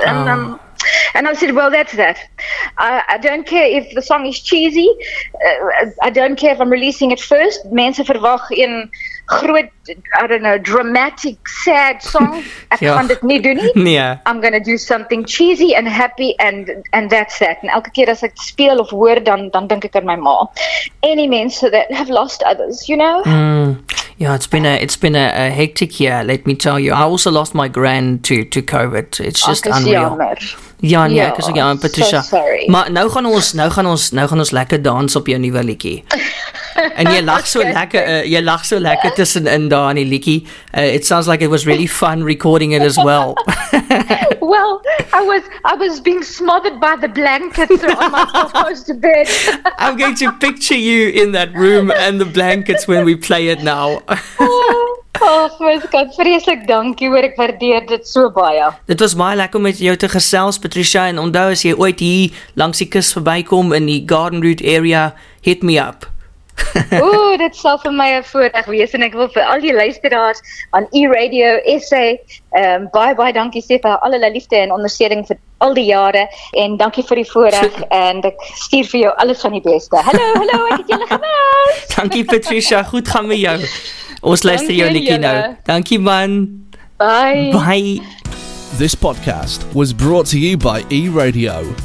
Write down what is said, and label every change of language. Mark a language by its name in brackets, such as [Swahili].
[English] And and I said, well, that's that. I don't care if the song is cheesy. I don't care if I'm releasing it first. [Afrikaans] Mense verwag in groot, [English] I don't know, dramatic, sad song. [Afrikaans] Ek kan dit nie doen nie. [English] Yeah. I'm going to do something cheesy and happy, and that's that. [Afrikaans] En elke keer as ek speel of hoor, dan denk ek aan my ma. [English] Any mense that have lost others, you know? Yeah, it's been a hectic year, let me tell you. I also lost my gran to COVID. It's just unreal. Ja, Patricia. So sorry. [Afrikaans] Maar nou gaan ons lekker dans op jou nuwe liedjie. En jy lag so lekker, tussenin daar in die liedjie. [English] It sounds like it was really fun recording it as well. Well, I was being smothered by the blankets on my close to bed. I'm going to picture you in that room and the blankets when we play it now. Oh, my God, [Afrikaans] vreselijk dankie, hoor, ek waardeer dit so baie. Dit was baie lekker om met jou te gesels, Patricia, en onthou, as jy ooit hier langs die kus verbykom in die Garden Route area, [English] hit me up. [Afrikaans] Oeh, dit sal vir my 'n voorreg wees, en ek wil vir al die luisteraars aan E-Radio SA, baie, baie dankie sê vir alle liefde en ondersteuning vir al die jare, en dankie vir die voorreg, en ek stuur vir jou alles van die beste. Hallo, ek het julle gemis. Dankie, Patricia, goed gaan met jou. Ons luister jou liedjie nou. Dankie man. [English] Bye. This podcast was brought to you by eRadio.